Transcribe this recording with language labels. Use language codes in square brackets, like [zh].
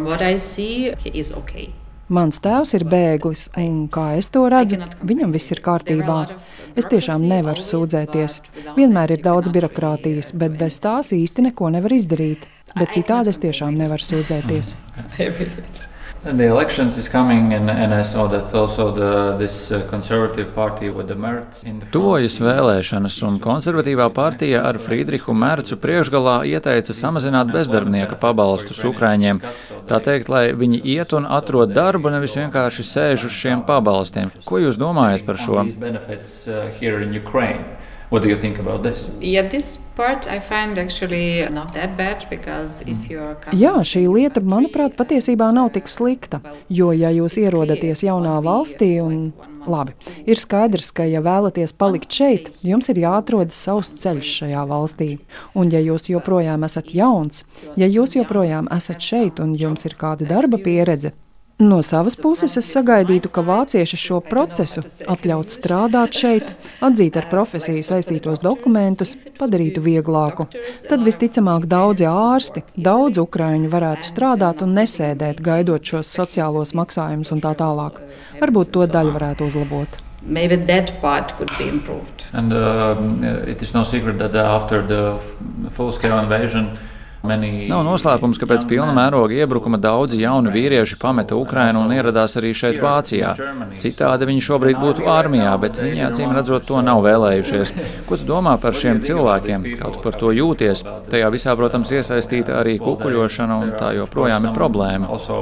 [lv] Mans tēvs ir bēglis, un kā es to redzu, viņam viss ir kārtībā. Es tiešām nevaru sūdzēties. Vienmēr ir daudz birokrātijas, bet bez tās īsti neko nevar izdarīt. Bet citādi es tiešām nevaru sūdzēties. [en] The elections is coming and I saw that also this conservative party with the Merz in the [lv] Tuvojas vēlēšanas un konservatīvā partija ar Frīdrihu Mercu priekšgalā ieteica samazināt bezdarbnieka pabalstus Ukraiņiem. Tā teikt, lai viņi iet un atrod darbu, nevis vienkārši sēž uz šiem pabalstiem. Ko jūs domājat par šo? [en] What do you think about this? Yeah, this part I find actually not that bad because if you are coming. [lv] Jā, šī lieta, manuprāt, patiesībā nav tik slikta, jo ja jūs ierodaties jaunā valstī un labi, ir skaidrs, ka ja vēlaties palikt šeit, jums ir jāatrod savs ceļš šajā valstī. Un ja jūs joprojām esat jauns, ja jūs joprojām esat šeit un jums ir kāda darba pieredze, no savas puses es sagaidītu, ka vācieši šo procesu atļaut strādāt šeit, atzīt ar profesiju saistītos dokumentus, padarītu vieglāku. Tad visticamāk daudzi ārsti, daudz ukraiņu varētu strādāt un nesēdēt, gaidot šos sociālos maksājumus un tā tālāk. Varbūt to daļu varētu uzlabot. [en] Maybe that part could be improved. And it is no secret that after the full-scale invasion, [lv] nav noslēpums, ka pēc pilna mēroga iebrukuma daudzi jauni vīrieši pameta Ukrainu un ieradās arī šeit Vācijā. Citādi viņi šobrīd būtu armijā, bet viņi acīm redzot to nav vēlējušies. Ko tu domā par šiem cilvēkiem? Kā tu par to jūties? Tajā visā, protams, iesaistīta arī kukuļošana un tā joprojām ir problēma.